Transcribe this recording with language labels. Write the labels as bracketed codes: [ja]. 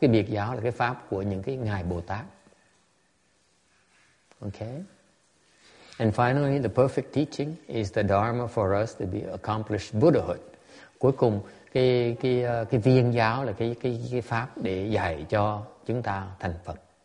[vi] Cái biệt giáo là cái pháp của những cái ngài Bồ Tát. [en] Okay. And finally, the perfect teaching is the Dharma for us to be accomplished Buddhahood. [vi] Cuối cùng, cái viên giáo là cái pháp để dạy cho chúng ta thành Phật.